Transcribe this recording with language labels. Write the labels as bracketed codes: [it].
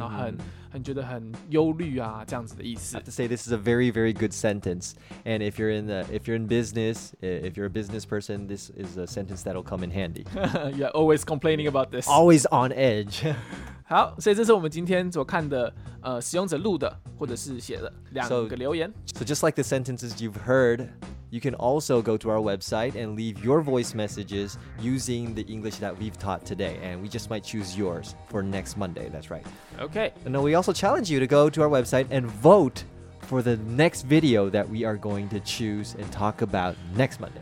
[zh] 然后很觉得很忧虑啊，这样子的意思。 [en] I have to say this is a very, very good sentence. And if you're in business, if you're a business person, this is a sentence that'll come in handy. Yeah, always complaining about this. Always on edge. [zh] 好，所以这是我们今天所看的，使用者录的或者是写的两个留言。 [en] So just like the sentences you've heard. You can also go to our website and leave your voice messages using the English that we've taught today. And we just might choose yours for next Monday. That's right. Okay. And then we also challenge you to go to our website and vote for the next video that we are going to choose and talk about next Monday.